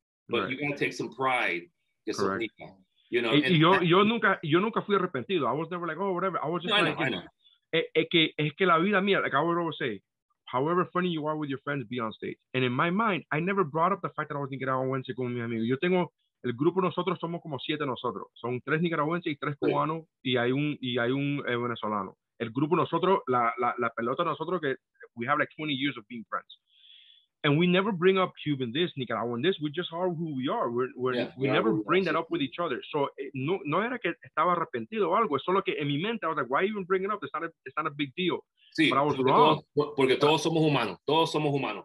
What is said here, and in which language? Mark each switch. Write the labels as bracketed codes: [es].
[en] But right. You gotta take some pride. Correct. You know, [es] yo nunca fui arrepentido. [en] I was never like, oh, whatever. I was just [es] es que la vida mía, [en] like I would always say, however funny you are with your friends, be on stage. And in my mind, I never brought up the fact that I was [es] nicaragüense con mi amigo. Yo tengo... El grupo nosotros somos como siete nosotros. Son tres nicaragüenses y tres cubanos y hay un venezolano. El grupo nosotros, la pelota nosotros, que we have like 20 years of being friends. [en] And we never bring up Cuban this, Nicaraguan this. We just are who we are. We never bring that up with each other. [es] So no era que estaba arrepentido o algo. Es solo que en mi mente, [en] I was like, why even bring it up? It's not a big deal. [es] Sí, [en] but I was wrong. [es] Porque todos somos humanos. Todos somos humanos.